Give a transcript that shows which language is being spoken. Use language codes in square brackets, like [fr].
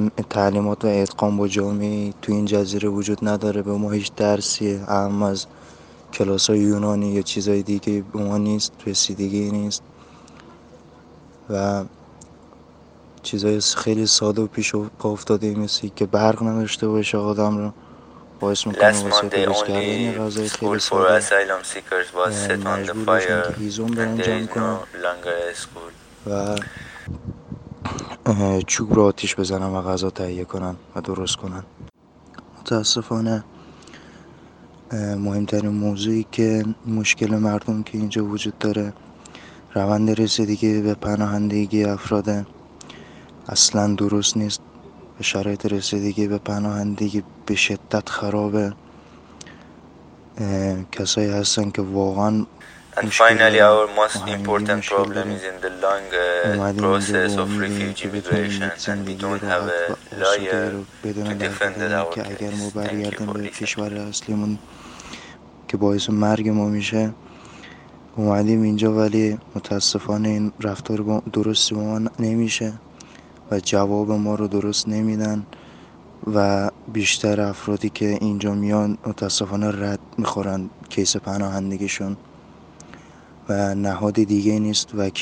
[fa] تعلیمات و ادغام با جامعه تو این جزیره وجود نداره، به ما هیچ درسی اهم از کلاس‌های یونانی یا چیزای دیگه به ما نیست، رسیدگی نیست و چیزای خیلی ساده و پیش پا افتاده مثل که برق نداشته باشه آدم رو. [en] Last month, the only school for asylum seekers was set on the fire, and there is no longer a school. [fa] چوب رو آتیش بزنم و غذا تهیه کنم و درست کنم. متاسفانه مهمترین موضوعی که مشکل مردم که اینجا وجود داره روند رسیدگی به پناهندگی افراد اصلا درست نیست. شرایط رسیدگی به پناهندگی به شدت خرابه. کسایی هستن که واقعا [en] And finally our most important problem is in the long process of refugee mediation and we don't have a lawyer to defend our case. [fa] اگر ما برگردیم به کشور اصلیمون که باعث مرگ ما میشه اومدیم اینجا، ولی متاسفانه این رفتار درست با ما نمیشه و جواب ما رو درست نمیدن و بیشتر افرادی که اینجا میان متاسفانه رد میخورن کیس پناهندگیشون و نهاد دیگه نیست.